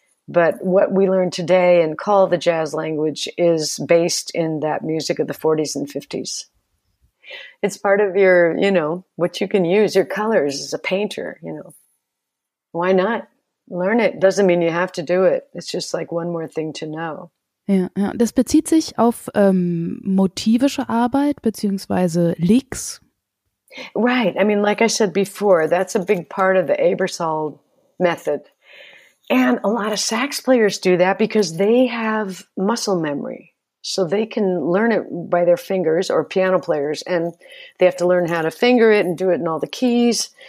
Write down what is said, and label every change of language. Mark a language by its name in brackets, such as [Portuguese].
[English] But what we learn today and call the jazz language is based in that music of the 40s and 50s. It's part of your, you know, what you can use, your colors as a painter, you know. Why not? Learn it. Doesn't mean you have to do it. It's just like one more thing to know. [German] Ja, ja. Das bezieht sich auf motivische Arbeit beziehungsweise Licks. [English] Right. I mean, like I said before, that's a big part of the Ebersol method. And a lot of sax players do that because they have muscle memory. So they can learn it by their fingers, or piano players, and they have to learn how to finger it and do it in all the keys.